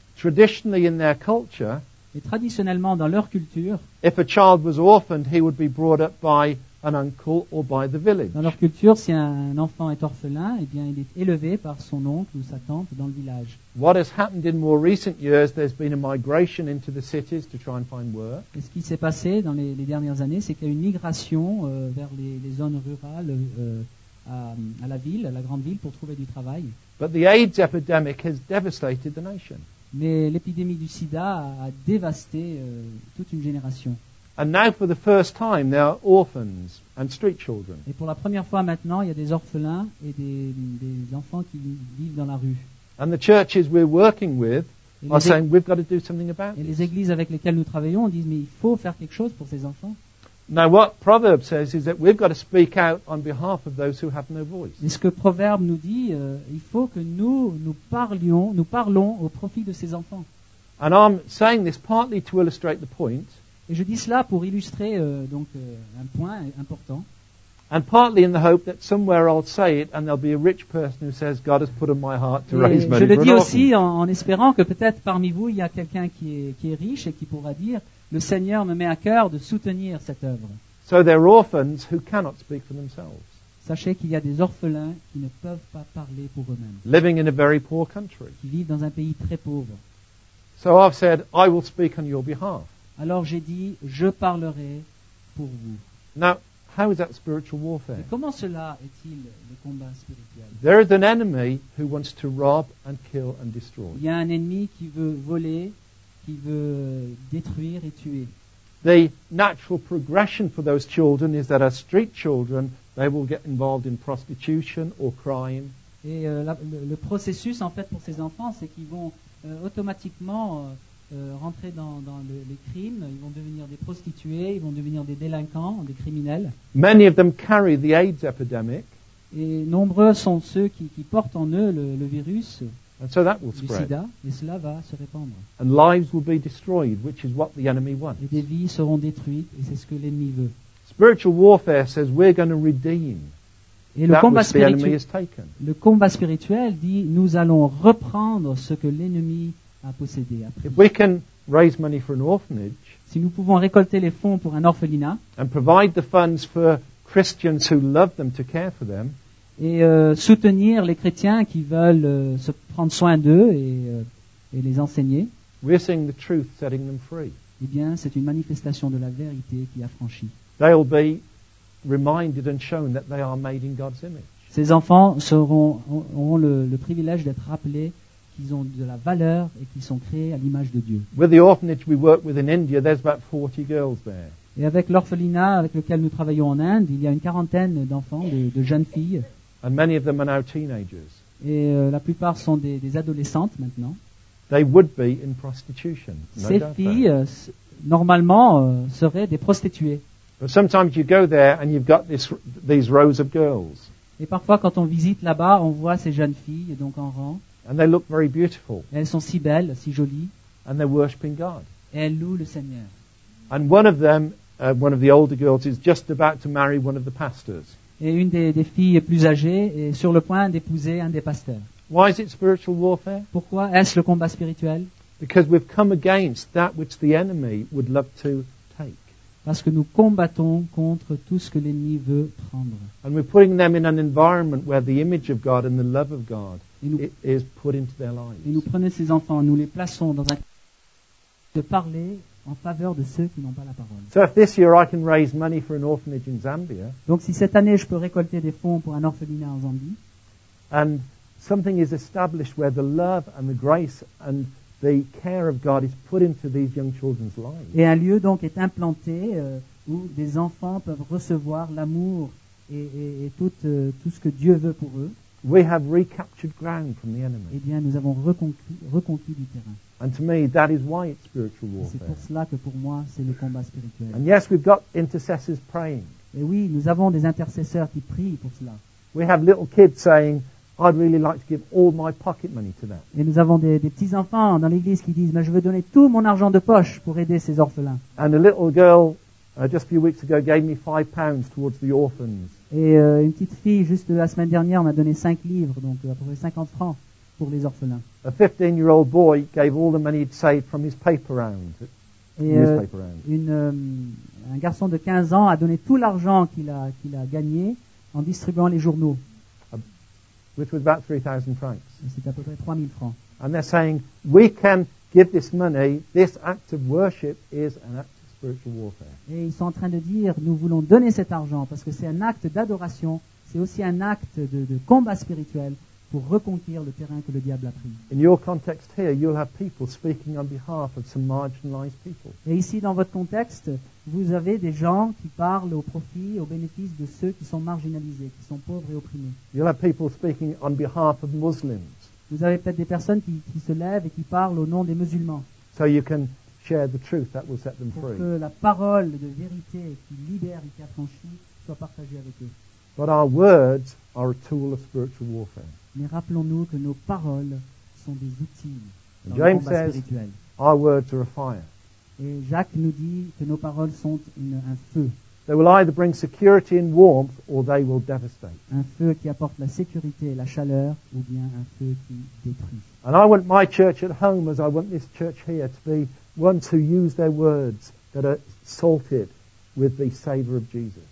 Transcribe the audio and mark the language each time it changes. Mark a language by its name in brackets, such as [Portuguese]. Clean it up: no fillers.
[English] Traditionally in their culture, [French] et traditionnellement dans leur culture, [English] if a child was orphaned, he would be brought up by an uncle or by the village. [French] Dans leur culture, si un enfant est orphelin, eh bien il est élevé par son oncle ou sa tante dans le village. [English] What has happened in more recent years, there's been a migration into the cities to try and find work. [French] Et ce qui s'est passé dans les dernières années, c'est qu'il y a une migration vers les zones rurales à la ville, à la grande ville pour trouver du travail. [English] But the AIDS epidemic has devastated the nation. [French] Mais l'épidémie du sida a dévasté toute une génération. [English] And now for the first time there are orphans and street children. [French] Et pour la première fois maintenant, il y a des orphelins et des enfants qui vivent dans la rue. [English] And the churches we're working with are saying we've got to do something about it. [French] Et les églises avec lesquelles nous travaillons disent mais il faut faire quelque chose pour ces enfants. [English] Now what Proverbs says is that we've got to speak out on behalf of those who have no voice. [French] Et ce que Proverbe nous dit, il faut que nous parlons au profit de ces enfants. [English] And I'm saying this partly to illustrate the point. [French] Et je dis cela pour illustrer un point important. [English] And partly in the hope that somewhere I'll say it and there'll be a rich person who says God has put on my heart to raise money. [French] Je le dis aussi en espérant que peut-être parmi vous il y a quelqu'un qui est riche et qui pourra dire le Seigneur me met à cœur de soutenir cette œuvre. [English] So there are orphans who cannot speak for themselves. [French] Sachez qu'il y a des orphelins qui ne peuvent pas parler pour eux-mêmes. [English] Living in a very poor country. [French] Qui vivent dans un pays très pauvre. [English] So I've said I will speak on your behalf. [French] Alors j'ai dit, je parlerai pour vous. [English] Now, How is that spiritual warfare? [French] Et comment cela est-il le combat spirituel? [English] There is an enemy who wants to rob and kill and destroy. [French] Il y a un ennemi qui veut voler, qui veut détruire et tuer. [English] The natural progression for those children is that as street children, they will get involved in prostitution or crime. [French] Et le processus en fait pour ces enfants, c'est qu'ils vont automatiquement rentrer dans les crimes, ils vont devenir des prostituées, ils vont devenir des délinquants, des criminels. [English] Many of them carry the AIDS epidemic. [French] Et nombreux sont ceux qui portent en eux le virus. [English] And so that will spread. [French] Sida, et cela va se répandre. [English] And lives will be destroyed, which is what the enemy wants. [French] Et des vies seront détruites, et c'est ce que l'ennemi veut. [English] Spiritual warfare says we're going to redeem that which the enemy has taken. [French] Le combat spirituel dit nous allons reprendre ce que l'ennemi a possédé. [English] If we can raise money for an orphanage, [French] si nous pouvons récolter les fonds pour un orphelinat, [English] and provide the funds for Christians who love them to care for them. [French] Et soutenir les chrétiens qui veulent se prendre soin d'eux et les enseigner. [English] We're seeing the truth setting them free. [French] Eh bien, c'est une manifestation de la vérité qui a franchi. [English] They'll be reminded and shown that they are made in God's image. [French] Ces enfants auront le privilège d'être rappelés qu'ils ont de la valeur et qu'ils sont créés à l'image de Dieu. [English] With the orphanage we work with in India, there's about 40 girls there. [French] Et avec l'orphelinat avec lequel nous travaillons en Inde, il y a une quarantaine d'enfants, de jeunes filles. [English] And many of them are now teenagers. [French] Et la plupart sont des adolescentes maintenant. [English] They would be in prostitution. [French] Ces filles, normalement, seraient des prostituées. [English] But sometimes you go there and you've got these rows of girls. [French] Et parfois, quand on visite là-bas, on voit ces jeunes filles, donc en rang. [English] And they look very beautiful. [French] Et elles sont si belles, si jolies. [English] And they're worshiping God. [French] Et elles louent le Seigneur. [English] And one of them, one of the older girls, is just about to marry one of the pastors. [French] Et une des filles plus âgées est sur le point d'épouser un des pasteurs. [English] Why is it spiritual warfare? [French] Pourquoi est-ce le combat spirituel? [English] Because we've come against that which the enemy would love to take. [French] Parce que nous combattons contre tout ce que l'ennemi veut prendre. [English] And we're putting them in an environment where the image of God and the love of God is put into their lives. [French] Et nous prenons ces enfants, nous les plaçons dans un de parler en faveur de ceux qui n'ont pas la parole. [English] So if this year I can raise money for an orphanage in Zambia, [French] donc si cette année je peux récolter des fonds pour un orphelinat en Zambie, [English] and something is established where the love and the grace and the care of God is put into these young children's lives. [French] Et un lieu donc est implanté où des enfants peuvent recevoir l'amour et tout ce que Dieu veut pour eux. [English] We have recaptured ground from the enemy. [French] Eh bien, nous avons reconquis du terrain. [English] And to me, that is why it's spiritual warfare. [French] C'est pour cela que pour moi, c'est le combat spirituel. [English] And yes, we've got intercessors praying. [French] Et oui, nous avons des intercesseurs qui prient pour cela. [English] We have little kids saying, I'd really like to give all my pocket money to that. [French] Et nous avons des petits enfants dans l'église qui disent, mais je veux donner tout mon argent de poche pour aider ces orphelins. [English] And a little girl, just a few weeks ago, gave me £5 towards the orphans. [French] Et une petite fille, juste la semaine dernière, m'a donné 5 livres, donc à peu près 50 francs pour les orphelins. [English] A 15-year-old boy gave all the money he'd saved from his paper round. [French] Et un garçon de 15 ans a donné tout l'argent qu'il a gagné en distribuant les journaux. [English] Which was about 3,000 francs. [French] C'était à peu près 3,000 francs. [English] And they're saying, we can give this money, this act of worship is an act. [French] Et ils sont en train de dire, nous voulons donner cet argent parce que c'est un acte d'adoration, c'est aussi un acte de combat spirituel pour reconquérir le terrain que le diable a pris. [English] In your context here, you'll have people speaking on behalf of some marginalized people. [French] Et ici, dans votre contexte, vous avez des gens qui parlent au profit, au bénéfice de ceux qui sont marginalisés, qui sont pauvres et opprimés. [English] You'll have people speaking on behalf of Muslims. [French] Vous avez peut-être des personnes qui se lèvent et qui parlent au nom des musulmans. [English] So you can share the truth that will set them free. [French] Pour que la parole de vérité qui libère et qui affranchit soit partagée avec eux. [English] But our words are a tool of spiritual warfare. [French] Mais rappelons-nous que nos paroles sont des outils dans [English] James [French] le combat [English] says, [French] spirituel. [English] Our words are a fire. [French] Et Jacques nous dit que nos paroles sont un feu. [English] They will either bring security and warmth or they will devastate. [French] Un feu qui apporte la sécurité et la chaleur ou bien un feu qui détruit. [English] And I want my church at home as I want this church here to be ones who use their words that are salted with the savor of Jesus.